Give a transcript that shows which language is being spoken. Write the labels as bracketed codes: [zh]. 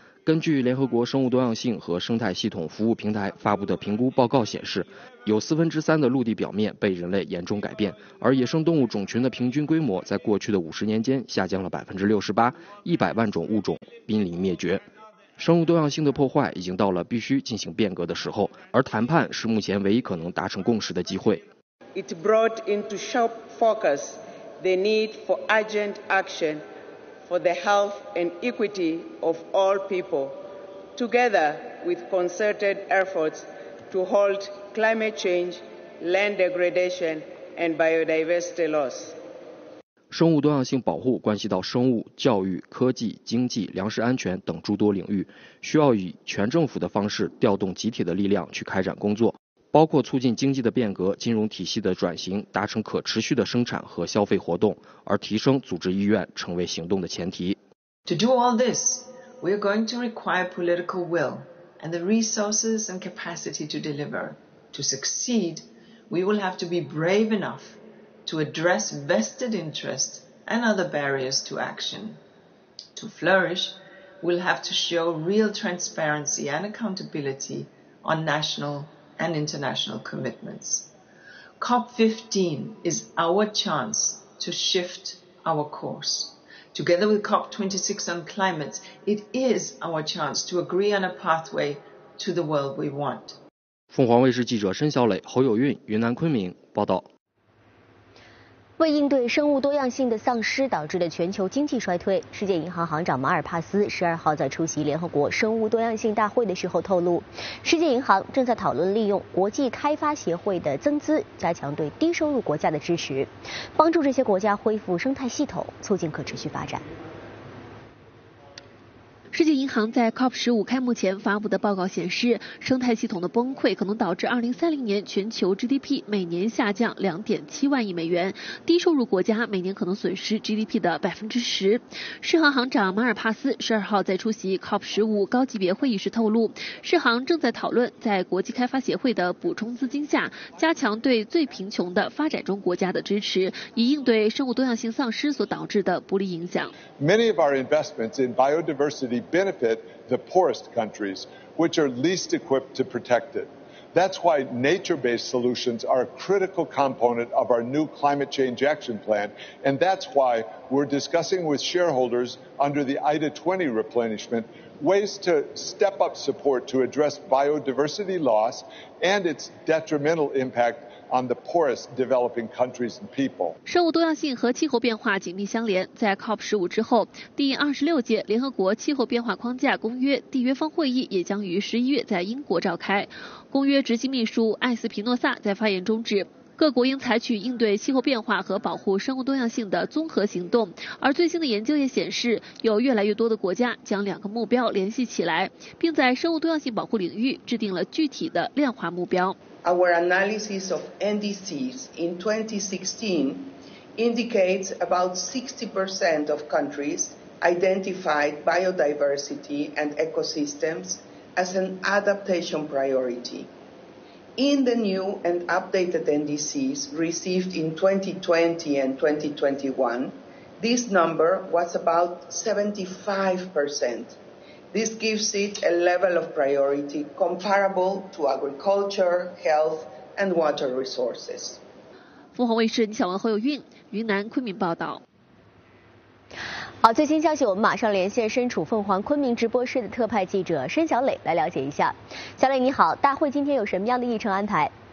[zh] 根据联合国生物多样性和生态系统服务平台发布的评估报告显示，有1/4的陆地表面被人类严重改变，而野生动物种群的平均规模在过去的50年间下降了68%，100万种物种濒临灭绝。生物多样性的破坏已经到了必须进行变革的时候，而谈判是目前唯一可能达成共识的机会。 [en] It brought into sharp focus the need for urgent action. For the health and equity of all people, together with concerted efforts to halt climate change, land degradation, and biodiversity loss. [zh] 生物多样性保护关系到生物、教育、科技、经济、粮食安全等诸多领域，需要以全政府的方式调动集体的力量去开展工作，包括促进经济的变革、金融体系的转型、达成可持续的生产和消费活动，而提升组织意愿成为行动的前提。 [en] To do all this, we are going to require political will and the resources and capacity to deliver. To succeed, we will have to be brave enough to address vested interests and other barriers to action. To flourish, we'll have to show real transparency and accountability on national. And international commitments. COP15 is our chance to shift our course. Together with COP26 on climate, it is our chance to agree on a pathway to the world we want. [zh] 凤凰卫视记者申小磊、侯友运，云南昆明报道。为应对生物多样性的丧失导致的全球经济衰退，世界银行行长马尔帕斯12号在出席联合国生物多样性大会的时候透露，世界银行正在讨论利用国际开发协会的增资，加强对低收入国家的支持，帮助这些国家恢复生态系统，促进可持续发展。世界银行在 COP15 开幕前发布的报告显示，生态系统的崩溃可能导致2030年全球 GDP 每年下降2.7万亿美元，低收入国家每年可能损失 GDP 的10%。世行行长马尔帕斯12号在出席 COP15 高级别会议时透露，世行正在讨论在国际开发协会的补充资金下，加强对最贫穷的发展中国家的支持，以应对生物多样性丧失所导致的不利影响。 [en] Many of our investments in biodiversity benefit the poorest countries, which are least equipped to protect it. That's why nature-based solutions are a critical component of our new climate change action plan, and that's why we're discussing with shareholders under the IDA 20 replenishment ways to step up support to address biodiversity loss and its detrimental impact. On the poorest developing countries and people. [zh] 生物多样性和气候变化紧密相连。在 COP15 之后，第26届联合国气候变化框架公约缔约方会议也将于11月在英国召开。公约执行秘书艾斯皮诺萨在发言中指，各国应采取应对气候变化和保护生物多样性的综合行动，而最新的研究也显示，有越来越多的国家将两个目标联系起来，并在生物多样性保护领域制定了具体的量化目标。 [en] Our analysis of NDCs in 2016 indicates about 60% of countries identified biodiversity and ecosystems as an adaptation priority. In the new and updated NDCs received in 2020 and 2021, this number was about 75%. This gives it a level of priority comparable to agriculture, health, and water resources. [zh] 凤凰卫视李小文、侯友韵，云南昆明报道。好，最新消息，我们马上连线身处凤凰昆明直播室的特派记者申小磊来了解一下。小磊你好，大会今天有什么样的议程安排？